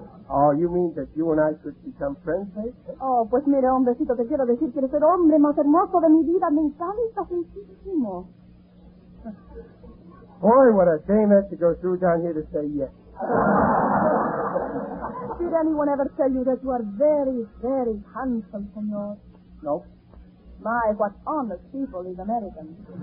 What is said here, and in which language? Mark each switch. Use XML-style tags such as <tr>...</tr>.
<en>Oh, you mean that you and I could become friends, babe?</en> <es>Oh, pues mira, hombrecito, te quiero decir que eres el hombre más hermoso de mi vida. Me encanta muchísimo.</es> <en>Boy, what a shame that to go through down here to say yes. Did anyone ever tell you that you are very, very handsome, senor? No. My, what honest people is American.</en>